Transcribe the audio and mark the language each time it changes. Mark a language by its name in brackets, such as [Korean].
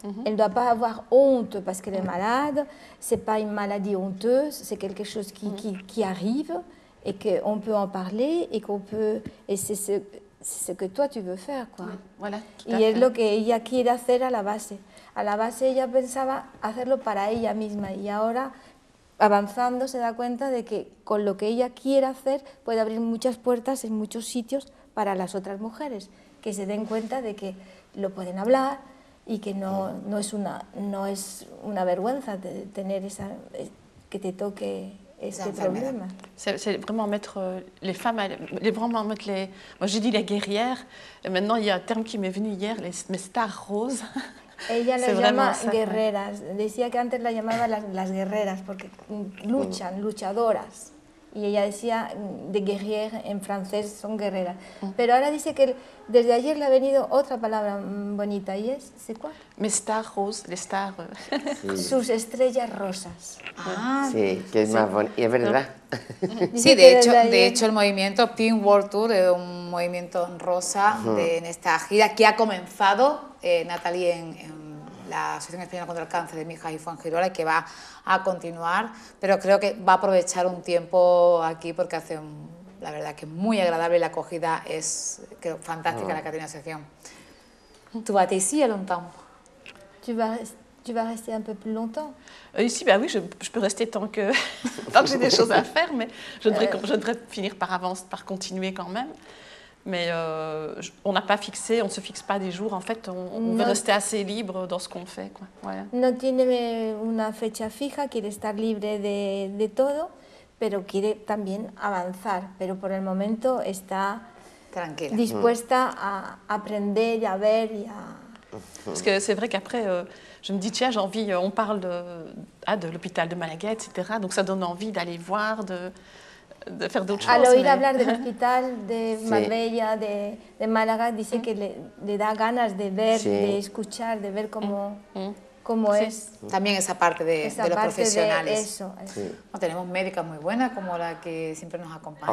[French] Elle ne doit pas avoir honte parce qu'elle est malade. Ce n'est pas une maladie honteuse, c'est quelque chose qui arrive et qu'on peut en parler et qu'on peut... Et c'est ce que toi, tu veux faire, quoi. Voilà, et c'est ce qu'elle veut faire à la base. À la base, elle pensait faire ça pour elle-même. Et maintenant... [Spanish] Avanzando se da cuenta de que con lo que ella quiere hacer puede abrir muchas puertas en muchos sitios para las otras mujeres, que se den cuenta de que lo pueden hablar y que no es una vergüenza de tener esa que te toque ese problema. [French] C'est vraiment mettre les femmes, moi j'ai dit les guerrières, et maintenant il y a un terme qui m'est venu hier, mes stars roses. [Spanish] Ella las llama guerreras. Decía que antes la llamaba las guerreras porque luchan, luchadoras. Y ella decía de guerrière en francés son guerreras. Pero ahora dice que desde ayer le ha venido otra palabra bonita y es, ¿sí cuál? [French] Mes stars roses, les stars. [Spanish] Sus estrellas rosas. Sí, que es más bonito. Y es verdad. Sí, de hecho el movimiento Pink World Tour es un movimiento rosa en esta gira que ha comenzado. Natalie, en la Asociación Española contra el Cáncer de Mijas y Fuengirola, que va a continuar, pero creo que va a aprovechar un tiempo aquí porque hace, la verdad, que es muy agradable y la acogida es creo, fantástica la que tiene la asociación. ¿Tú vas a estar aquí longtemps? ¿Tú vas a estar un poco más longtemps? [French] Ici, ben oui, je peux rester tant que j'ai des choses à faire, mais je devrais finir par avance, par continuer quand même. Mais on n'a pas fixé, on ne se fixe pas des jours. En fait, on veut rester assez libre dans ce qu'on fait. Quoi. Voilà. [Spanish] No tiene una fecha fija, quiere estar libre de todo, pero quiere también avanzar. Pero por el momento está tranquila, dispuesta a aprender, a ver. Y a... [French] Parce que c'est vrai qu'après, je me dis, tiens, j'ai envie, on parle de l'hôpital de Malaga, etc. Donc ça donne envie d'aller voir, de faire d'autres choses. [Spanish] Al oír hablar del hospital de Marbella, de Málaga, dice que le da ganas de ver, de escuchar, de ver cómo es. También esa parte de los profesionales. De eso. Sí. No, tenemos médicas muy buenas, como la que siempre nos acompaña.